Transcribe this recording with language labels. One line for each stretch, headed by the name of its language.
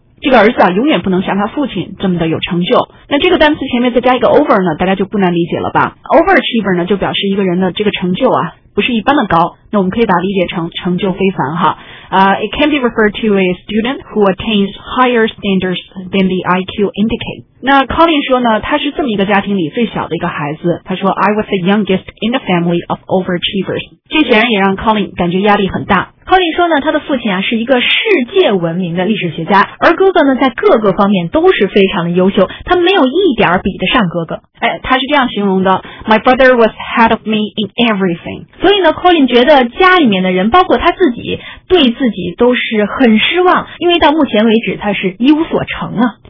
Chinese: 这个儿子啊永远不能像他父亲这么的有成就那这个单词前面再加一个 over 呢大家就不难理解了吧 Overachiever 呢就表示一个人的这个成就啊不是一般的高那我们可以把它理解成成就非凡哈
English: It can be referred to a student who attains higher standards than the IQ indicate.
Chinese: 那 Colin 说呢，他是这么一个家庭里最小的一个孩子。他说
English: ，I was the youngest in the family of overachievers。
Chinese: 这显然也让 Colin 感觉压力很大。 Colin 说呢，他的父亲啊是一个世界闻名的历史学家，而哥哥呢在各个方面都是非常的优秀，他没有一点比得上哥哥。哎，他是这样形容的
English: ，My brother was ahead of me in everything。
Chinese: 所以呢 ，Colin 觉得家里面的人，包括他自己，对自己都是很失望，因为到目前为止他是一无所成啊。